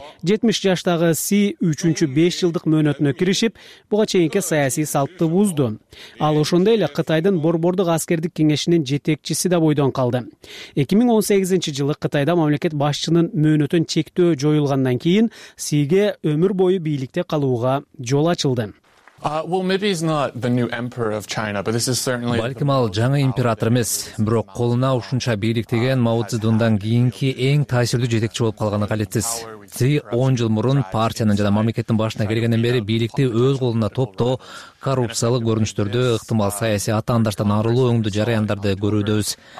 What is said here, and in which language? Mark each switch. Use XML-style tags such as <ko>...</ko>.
<ky>70 жаштагы Си 3-5 жылдык мөөнөтүнө киришип, буга чейинки саясий салтты бузду. Ал ошондой эле Кытайдын борбордук аскердик кеңешинин жетекчиси да бойдон калды. 2018-жылы Кытайда мамлекет башчынын мөөнөтүн чектөө жоюлгандан кийин Сиге өмүр бою бийликте калууга жол ачылды.</ky> <en>Maybe he's not the new emperor of China, but this is certainly.</en> <ky>Балким ал жаңы император эмес, бирок колуна ушунча бийлик деген Мао Цзэдундан кийинки эң таасирдүү жетекчи болуп калганы калетсиз. Си 10 жыл мурун партиянын жана мамлекеттин башына келгенден бери бийликти өз колунда топтоо, коррупциялык көрүнүштөрдү, ыктымал саясий атаандаштан арылуу өңдүү жараяндарды көрүүдөбүз.</ky>